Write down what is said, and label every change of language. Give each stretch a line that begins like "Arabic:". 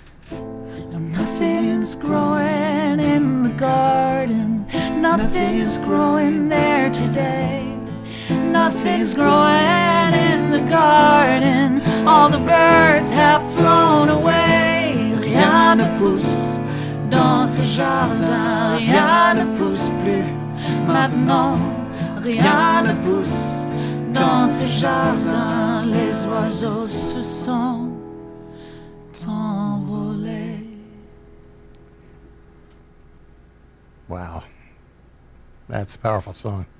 English: Now nothing's growing in the garden, nothing's growing there today. Nothing's growing in the garden, all the birds have flown away.
French: Rien ne pousse dans ce jardin, rien ne pousse plus maintenant. Rien ne pousse dans ce jardin. Les oiseaux se sont envolés.
English: Wow, that's a powerful song.